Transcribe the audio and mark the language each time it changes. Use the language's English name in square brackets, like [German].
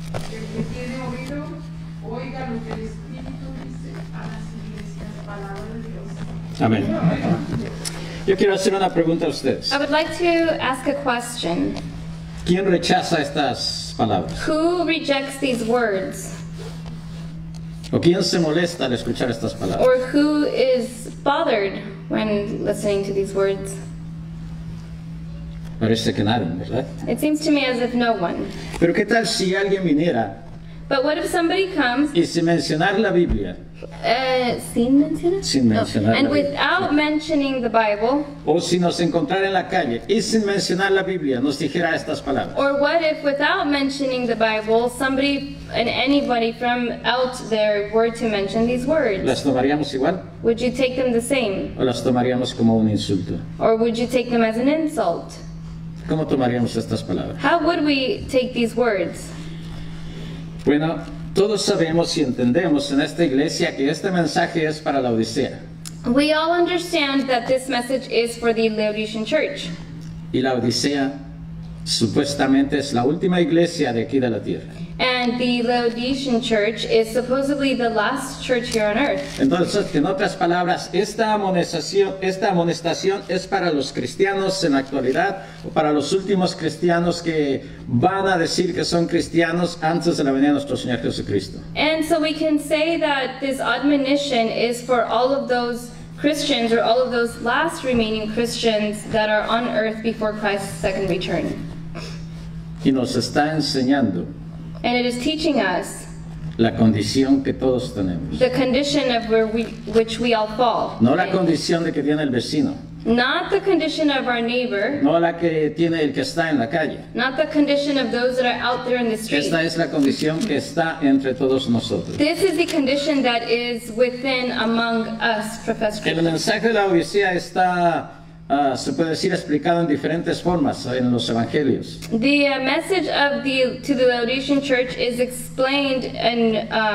[Spanish] El que tiene oído, oiga lo que el Espíritu dice a las iglesias, palabra de Dios. Amén. Yo quiero hacer una pregunta a ustedes. [English] I would like to ask a question. [Spanish] ¿Quién rechaza estas palabras? [English] Who rejects these words? [Spanish] ¿O quién se molesta al escuchar estas palabras? [English] Or who is bothered when listening to these words? [Spanish] Parece que nadie, ¿verdad? [English] It seems to me as if no one. [Spanish] Pero ¿qué tal si alguien viniera? [English] But what if somebody comes? [Spanish] Y sin mencionar la Biblia. Sin mencionar. Sin mencionar. [English] No. And without mentioning the Bible. [Spanish] O si nos encontrara en la calle y sin mencionar la Biblia nos dijera estas palabras. [English] Or what if without mentioning the Bible somebody and anybody from out there were to mention these words? [Spanish] ¿Las tomaríamos igual? [English] Would you take them the same? [Spanish] ¿O las tomaríamos como un insulto? [English] Or would you take them as an insult? [Spanish] ¿Cómo tomaríamos estas palabras? [English] How would we take these words? [Spanish] Bueno, todos sabemos y entendemos en esta iglesia que este mensaje es para la Odisea. [English] We all understand that this message is for the Laodicean church. [Spanish] Y la Odisea supuestamente es la última iglesia de aquí de la tierra. [English] And the Laodicean church is supposedly the last church here on earth. [Spanish] Entonces, en otras palabras, esta amonestación es para los cristianos en la actualidad, o para los últimos cristianos que van a decir que son cristianos antes de la venida de nuestro Señor Jesucristo. [English] And so we can say that this admonition is for all of those Christians, or all of those last remaining Christians that are on earth before Christ's second return. [Spanish] Y nos está enseñando. [English] And it is teaching us [Spanish] la condición que todos tenemos. [English] The condition of where we, which we all fall. [Spanish] No la condición de que tiene el vecino. [English] Not the condition of our neighbor. [Spanish] No la que tiene el que está en la calle. [English] Not the condition of those that are out there in the street. [Spanish] Esta es la condición que está entre todos nosotros. [English] This is the condition that is within among us, Professor. [Spanish] El mensaje de la Odisea está... se puede decir explicado en diferentes formas en los evangelios. [English] The message of the to the Laodicean church is explained and